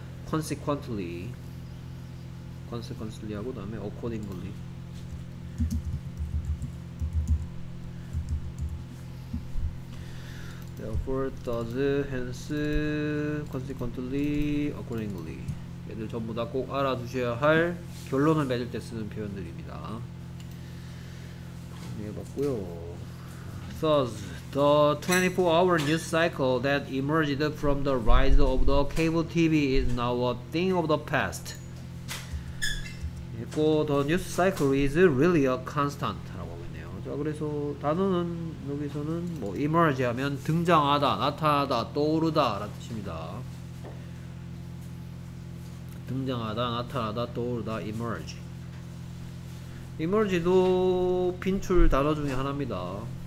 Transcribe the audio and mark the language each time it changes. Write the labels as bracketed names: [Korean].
[English] Consequently Consequently [Korean] 하고 다음에 [English] Accordingly therefore, does, hence, consequently, accordingly. [Korean] 얘들 전부 다 꼭 알아두셔야 할 결론을 맺을 때 쓰는 표현들입니다. 정리해봤고요. [English] Thus, the 24-hour news cycle that emerged from the rise of the cable TV is now a thing of the past. [Korean] 그리고 [English] the news cycle is really a constant. [Korean] 자 그래서 단어는 여기서는 뭐 emerge 하면 등장하다 나타나다 떠오르다 라는 뜻입니다. 등장하다 나타나다 떠오르다 emerge. emerge도 빈출 단어 중에 하나입니다.